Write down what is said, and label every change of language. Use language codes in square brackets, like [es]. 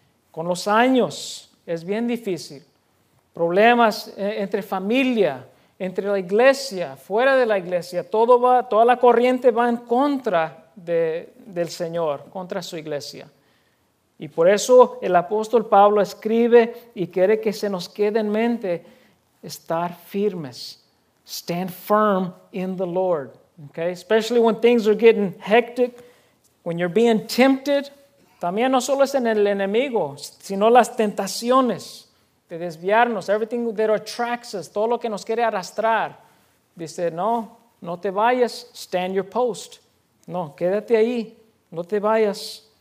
[es] Con los años, es bien difícil. Problemas entre familia, entre la iglesia, fuera de la iglesia, toda la corriente va en contra del Señor, contra su iglesia. Y por eso el apóstol Pablo escribe y quiere que se nos quede en mente estar firmes. [en] Stand firm in the Lord. Okay? Especially when things are getting hectic, when you're being tempted. [es] También no solo es en el enemigo, sino las tentaciones de desviarnos. [en] Everything that attracts us, [es] todo lo que nos quiere arrastrar. Dice, no, no te vayas. [en] Stand your post. [es] No, quédate ahí. No te vayas.